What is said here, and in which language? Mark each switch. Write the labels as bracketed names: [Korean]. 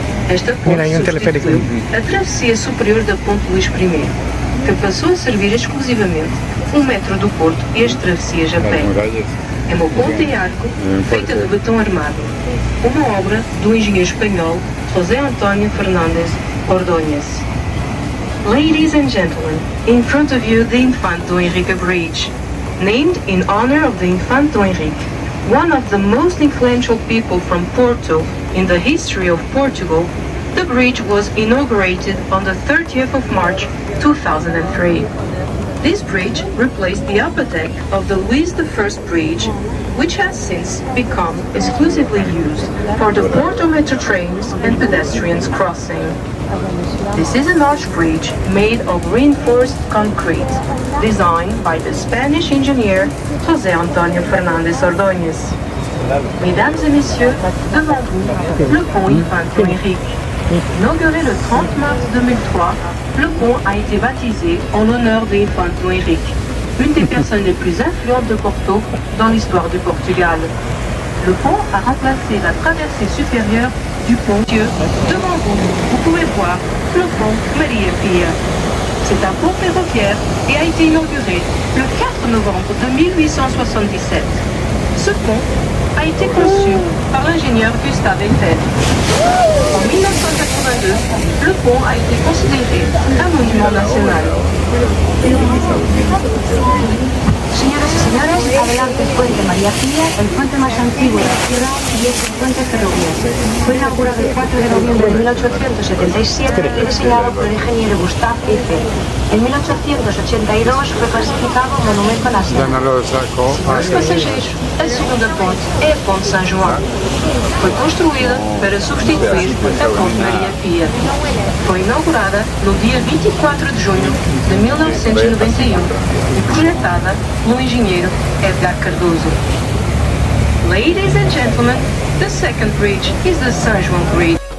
[Portuguese] Esta ponte substituiu a travessia superior da ponte Luís I, que passou a servir exclusivamente um metro do Porto e as travessias a pé. É uma ponte em arco feita de betão armado, uma obra do engenheiro espanhol José António Fernández Ordóñez. [English] Ladies and gentlemen, in front of you the Infante Dom Henrique Bridge, named in honor of the Infante Dom Henrique, one of the most influential people from Porto in the history of Portugal. The bridge was inaugurated on the 30th of March 2003. This bridge replaced the upper deck of the Luis I bridge, which has since become exclusively used for the Porto Metro trains and pedestrians crossing. This is an arch bridge made of reinforced concrete, designed by the Spanish engineer José Antonio Fernández Ordóñez. [French] Mesdames et messieurs, devant vous, le pont Infante Dom Henrique. Inauguré le 30 mars 2003, le pont a été baptisé en l'honneur de Infante Dom Henrique, une des personnes les plus influentes de Porto dans l'histoire du Portugal. Le pont a remplacé la traversée supérieure du pont Dieu. Devant vous, vous pouvez voir le pont Maria Pia. C'est un pont ferroviaire et a été inauguré le 4 novembre 1877. Ce pont a été conçu par l'ingénieur Gustave Eiffel. En 1982, le pont a été considéré un monument national. [Spanish] Señoras y señores, adelante el puente María Pía, el puente más antiguo de la ciudad y es el puente ferroviario. Fue inaugurado el 4 de noviembre de 1877 y diseñado por el ingeniero Gustave Eiffel. En 1882 fue clasificado monumento nacional. El segundo puente es Pont San Juan. Fue construido para sustituir a Ponte María Pía. Fue inaugurada el día 24 de junio de 1991 y proyectada [Portuguese] no engenheiro [Spanish] Edgar Cardoso. [English] Ladies and gentlemen, the second bridge is the San Juan Bridge.